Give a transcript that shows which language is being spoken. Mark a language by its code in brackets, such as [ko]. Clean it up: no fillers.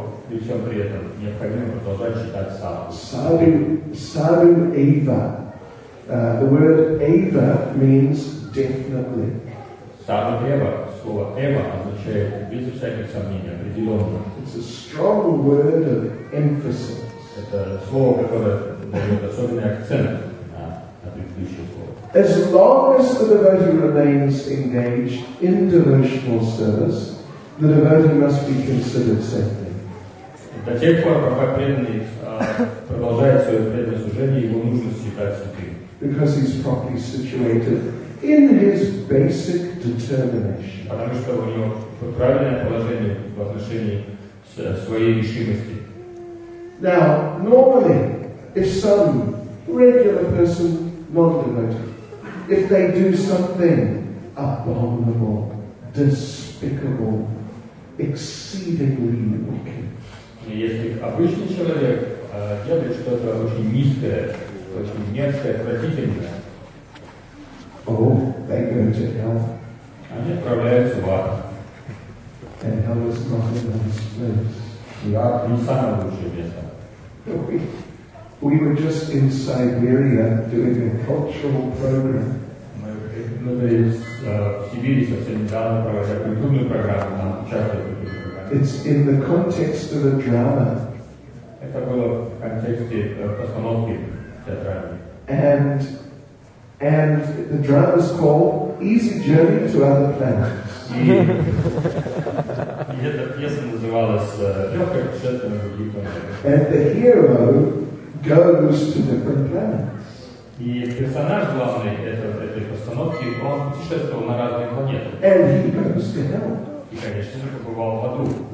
[ru] И всем при этом необходимо продолжать читать саду. [sa] Саду эйва. [en] The word эйва means definitely. [sa] Саду эйва, [ru] слово эйва означает без всяких сомнений, определенно. [en] It's a strong word of emphasis. [ru] Это слово, которое дает особенный акцент на предыдущее слово. [en] As long as the devotee remains engaged in devotional service, the devotee must be considered saint. [ru] До тех пор, пока преданный продолжает свое преданное служение, его нужно считать святым. [en] Because he's properly situated in his basic determination. [ru] Потому что у него правильное положение в отношении своей решимости. [en] Now, normally, if some regular person, non-devotee, if they do something abominable, despicable, exceedingly wicked. [ru] Если обычный человек делает что-то очень низкое, очень мерзкое, отвратительное, [en] they go to hell. [ru] Они отправляются в ад. [en] And hell is not the best place. [ru] И ад не самое лучшее место. [en] We were just in Siberia doing a cultural program. [ru] Мы в Сибири совсем недавно проводили культурную программу, нам участвовали. [en] It's in the context of a drama. [ru] Это было в контексте постановки театральной. [en] And the drama is called Easy Journey to Other Planets. [ru] И эта пьеса называлась «Легкое путешествие на другие планеты». [en] And the hero goes to different planets. [ru] И персонаж главный этой постановки, он путешествовал на разные планеты. [en] And he goes to hell. [ru] И, конечно же, побывал в аду.